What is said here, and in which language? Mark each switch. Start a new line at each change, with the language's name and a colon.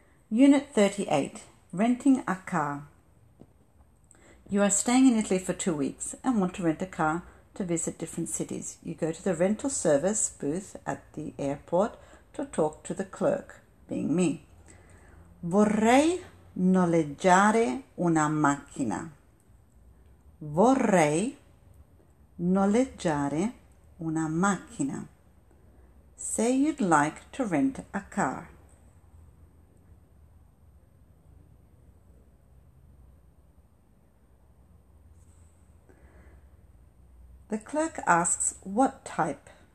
English: Unit 38. Renting a car. You are staying in Italy for 2 weeks and want to rent a car to visit different cities. You go to the rental service booth at the airport to talk to the clerk, being me.
Italian: Vorrei noleggiare una macchina. Vorrei noleggiare una macchina.
English: Say you'd like to rent a car. The clerk asks, what type?